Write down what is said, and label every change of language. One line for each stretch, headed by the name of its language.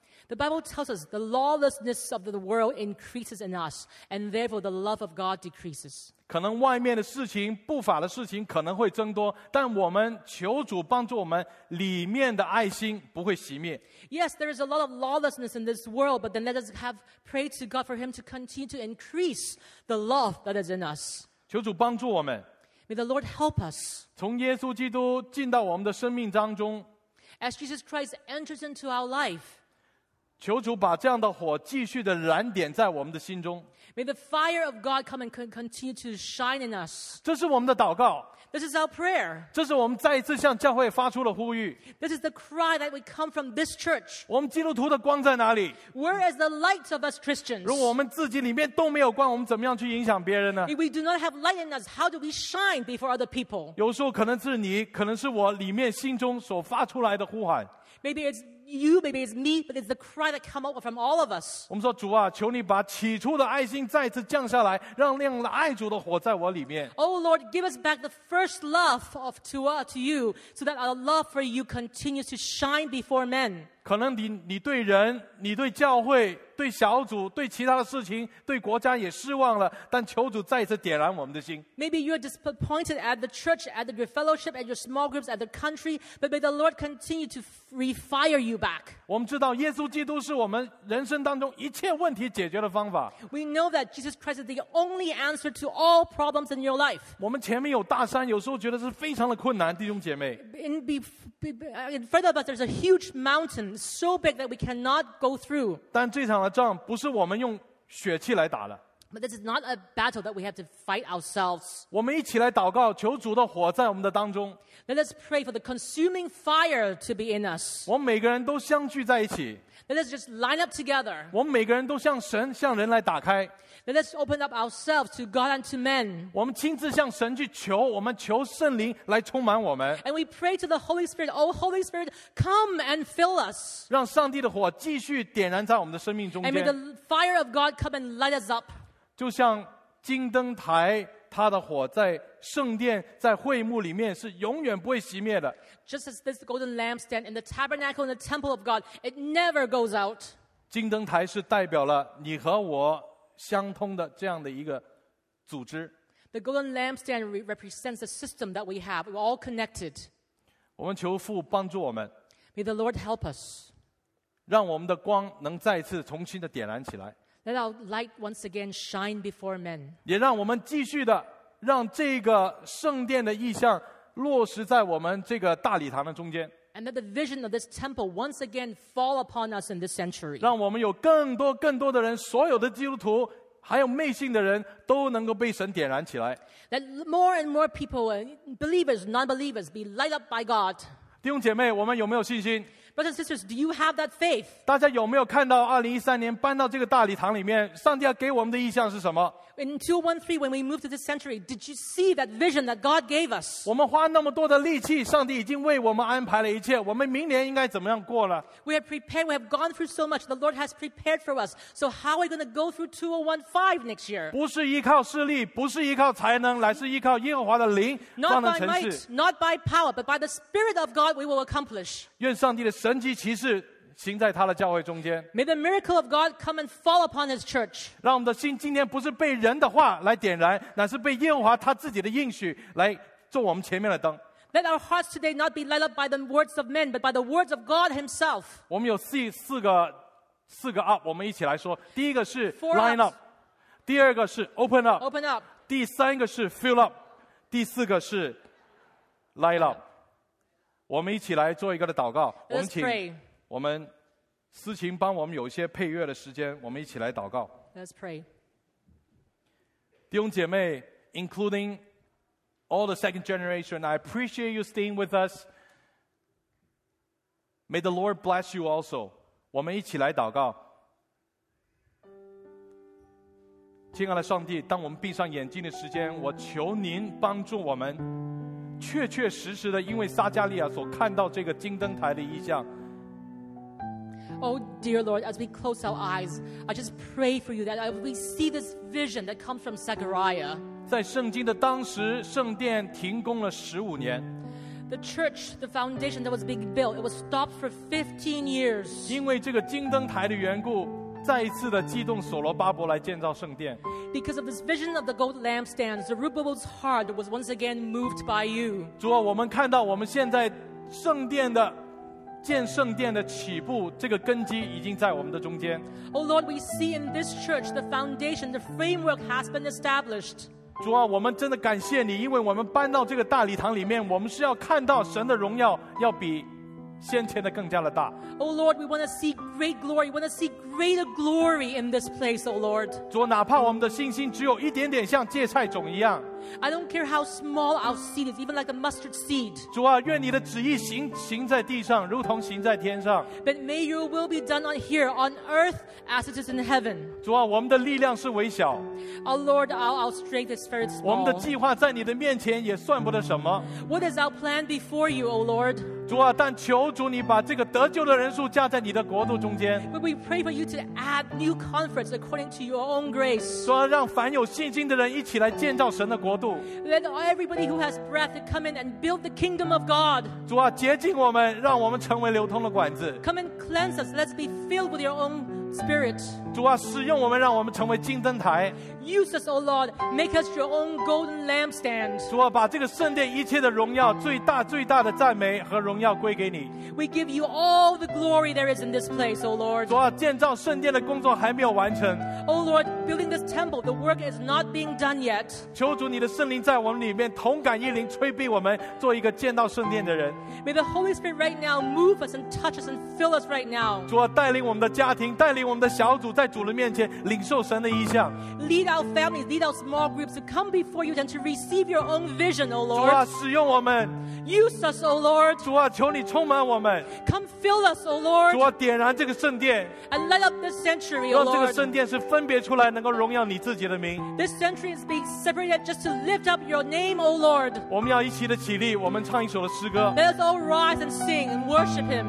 English: The Bible tells us the lawlessness of the world increases in us, and therefore the love of God decreases.
Chinese: 可能外面的事情，不法的事情可能会增多，但我们求主帮助我们，里面的爱心不会熄灭。
English: Yes, there is a lot of lawlessness in this world, but then let us have prayed to God for Him to continue to increase the love that is in us.
Chinese: 求主帮助我们。
English: May the Lord help us.
Chinese: 从耶稣基督进到我们的生命当中。
English: As Jesus Christ enters into our life,
Chinese: 求主把这样的火继续的燃点在我们的心中。
English: May the fire of God come and continue to shine in us.
Chinese: 这是我们的祷告。
English: This is our prayer.
Chinese: 这是我们再一次向教会发出了呼吁。
English: This is the cry that we come from this church.
Chinese: 我们基督徒的光在哪里？
English: Where is the light of us Christians?
Chinese: 如果我们自己里面都没有光，我们怎么样去影响别人呢？
English: If we do not have light in us, how do we shine before other people?
Chinese: 有时候可能是你，可能是我里面心中所发出来的呼喊。
English: Maybe it's you, maybe it's me, but it's the cry that comes out from all of us.
Chinese: 我们说主啊，求你把起初的爱心再次降下来，让亮了爱主的火在我里面。
English: Oh Lord, give us back the first love of to you, so that our love for you continues to shine before men.
Chinese: 可能你对人，你对教会，对小组，对其他的事情，对国家也失望了，但求主再次点燃我们的心。
English: Maybe you're disappointed at the church, at the fellowship, at your small groups, at the country, but may the Lord continue to refire you back.
Chinese: 我们知道耶稣基督是我们人生当中一切问题解决的方法。
English: We know that Jesus Christ is the only answer to all problems in your life.
Chinese: 我们前面有大山，有时候觉得是非常的困难，弟兄姐妹。
English: In front of us, there's a huge mountain so big that we cannot go through.
Chinese: 但这场的仗不是我们用血气来打的。
English: But this is not a battle that we have to fight ourselves.
Chinese: 我们一起来祷告，求主的火在我们的当中。
English: Let us pray for the consuming fire to be in us.
Chinese: 我们每个人都相聚在一起。
English: Let us just line up together.
Chinese: 我们每个人都向神、向人来打开。
English: Let us open up ourselves to God and to men.
Chinese: 我们亲自向神去求，我们求圣灵来充满我们。
English: And we pray to the Holy Spirit, Oh Holy Spirit, come and fill us.
Chinese: 让上帝的火继续点燃在我们的生命中间。
English: And may the fire of God come and light us up.
Chinese: 就像金灯台，它的火在圣殿、在会幕里面是永远不会熄灭的。
English: Just as this golden lampstand in the tabernacle in the temple of God, it never goes out.
Chinese: 金灯台是代表了你和我相通的这样的一个组织。
English: The golden lampstand represents the system that we have. We're all connected.
Chinese: 我们求父帮助我们。
English: May the Lord help us.
Chinese: 让我们的光能再次重新的点燃起来。
English: Let our light once again shine before men.
Chinese: 也让我们继续的让这个圣殿的意象落实在我们这个大礼堂的中间。
English: And let the vision of this temple once again fall upon us in this century.
Chinese: 让我们有更多更多的人，所有的基督徒还有昧信的人都能够被神点燃起来。
English: Let more and more people, believers, non-believers, be lit up by God.
Chinese: 弟兄姐妹，我们有没有信心？
English: Brothers and sisters, do you have that faith?
Chinese: 大家有没有看到2013年搬到这个大礼堂里面，上帝要给我们的意象是什么？
English: In 2013, when we moved to this century, did you see that vision that God gave us?
Chinese: 我们花那么多的力气，上帝已经为我们安排了一切，我们明年应该怎么样过了？
English: We have prepared, we have gone through so much, the Lord has prepared for us. So how are we going to go through 2015 next year?
Chinese: 不是依靠势力，不是依靠才能，乃是依靠耶和华的灵，
English: Not by might, not by power, but by the Spirit of God we will accomplish.
Chinese: 愿上帝的神神迹奇事行在他的教会中间。
English: May the miracle of God come and fall upon His church.
Chinese: 让我们的心今天不是被人的话来点燃，乃是被耶和华他自己的应许来做我们前面的灯。
English: Let our hearts today not be lit up by the words of men, but by the words of God Himself.
Chinese: 我们有四个 up， 我们一起来说。第一个是
English: line up，
Chinese: 第二个是
English: open up，
Chinese: 第三个是
English: fill up，
Chinese: 第四个是
English: light up。
Chinese: 我们一起来做一个的祷告。我们请我们思琴帮我们有一些配乐的时间，我们一起来祷告。
English: Let's pray.
Chinese: 弟兄姐妹
English: ，including all the second generation, I appreciate you staying with us. May the Lord bless you also.
Chinese: 我们一起来祷告。亲爱的上帝，当我们闭上眼睛的时间，我求您帮助我们。确确实实的，因为撒加利亚所看到这个金灯台的意象。
English: Oh dear Lord, as we close our eyes, I just pray for you that we see this vision that comes from Zechariah.
Chinese: 在圣经的当时，圣殿停工了15年。
English: The church, the foundation that was being built, it was stopped for 15 years.
Chinese: 因为这个金灯台的缘故。再一次的激动所罗巴伯来建造圣殿。
English: Because of this vision of the gold lampstands, Zerubbabel's heart was once again moved by you.
Chinese: 主啊，我们看到我们现在圣殿的建圣殿的起步，这个根基已经在我们的中间。
English: Oh Lord, we see in this church the foundation, the framework has been established.
Chinese: 主啊，我们真的感谢你，因为我们搬到这个大礼堂里面，我们是要看到神的荣耀要比先前的更加的大。
English: Oh Lord, we want to see great glory. We want to see greater glory in this place, O Lord.
Chinese: 主，哪怕我们的信心只有一点点，像芥菜种一样。
English: I don't care how small our seed is, even like a mustard seed.
Chinese: 主啊，愿你的旨意行在地上，如同行在天上。
English: But may your will be done on here, on earth, as it is in heaven.
Chinese: 主啊，我们的力量是微小。
English: Oh Lord, our strength is very small.
Chinese: 我们的计划在你的面前也算不得什么。
English: What is our plan before you, O Lord?
Chinese: 主啊，但求主你把这个得救的人数加在你的国度中间。
English: But we pray for you to add new converts according to your own grace.
Chinese: 说让凡有信心的人一起来建造神的国度。
English: Let everybody who has breath come in and build the kingdom of God.
Chinese: 主啊，洁净我们，让我们成为流通的管子。
English: Come and cleanse us. Let's be filled with your own spirit.
Chinese: 主啊，使用我们，让我们成为金灯台。
English: Use us, O Lord. Make us your own golden lampstand.
Chinese: 主啊，把这个圣殿一切的荣耀，最大最大的赞美和荣耀。
English: We give you all the glory there is in this place, O Lord.
Chinese: 主啊，建造圣殿的工作还没有完成。
English: O Lord, building this temple, the work is not being done yet.
Chinese: 求主你的圣灵在我们里面同感一灵，催逼我们做一个建造圣殿的人。
English: May the Holy Spirit right now move us and touch us and fill us right now.
Chinese: 主啊，带领我们的家庭，带领我们的小组，在主的面前领受神的意象。
English: Lead our families, lead our small groups to come before you and to receive your own vision, O Lord.
Chinese: 主啊，使用我们。
English: Use us, O Lord.
Chinese: 主啊。求你充满我们
English: Come fill us, O Lord
Chinese: 主啊点燃这个圣殿
English: And light up this sanctuary, O Lord
Chinese: 让这个圣殿是分别出来能够荣耀你自己的名
English: This sanctuary is being separated just to lift up your name, O Lord
Chinese: 我们要一起的起立我们唱一首的诗歌
English: Let us all rise and sing and worship him